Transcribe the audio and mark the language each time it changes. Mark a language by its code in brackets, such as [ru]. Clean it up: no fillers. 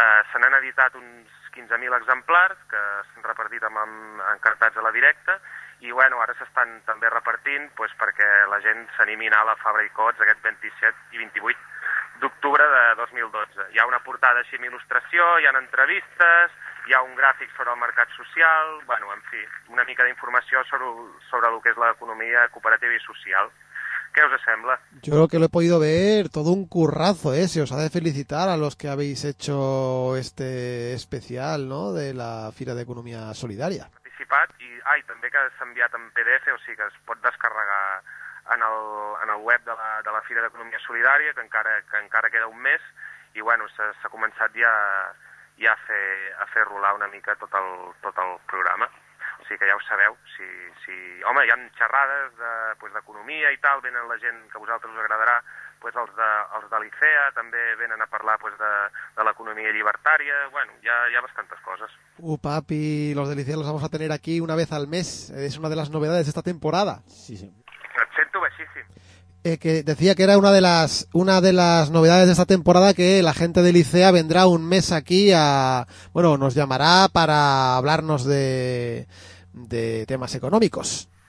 [ca] Se n'han editat uns 15.000 exemplars que s'han repartit amb encartats a la directa i bueno, ara s'estan també repartint pues, perquè la gent s'animi a la Fabra i Cots aquest 27 i 28 d'octubre de 2012. Hi ha una portada així amb il·lustració, hi ha entrevistes, hi ha un gràfic sobre el mercat social, bueno, en fi, una mica d'informació sobre el que és l'economia cooperativa i social. [es] ¿Qué os sembla? Yo creo que lo he podido ver, todo un currazo, ¿eh? Se os ha de felicitar a los que habéis hecho este especial, ¿no?, de la Fira de Economía Solidaria. [ca] Participat y también que s'ha enviat en PDF, o sigui que es pot descarregar en el web de la Fira de Economía Solidaria, que encara queda un mes y bueno, s'ha començat ja a fer rolar una mica tot el programa. Sí, que ja ho sabeu, si home, hi ha xerrades d'economia i tal, venen la gent que a vosaltres us agradarà, pues els de l'ICEA també venen a parlar pues de l'economia llibertària, bueno, hi ha bastantes coses. [es] Papi, los de l'ICEA los vamos a tener aquí una vez al mes, es una de las novedades de esta temporada. Sí, sí. [ca] Et sento baixíssim. [es] Que decía que era una de las novedades de esta temporada, que la gente de Licea vendrá un mes aquí a, bueno, nos llamará para hablarnos de temas económicos.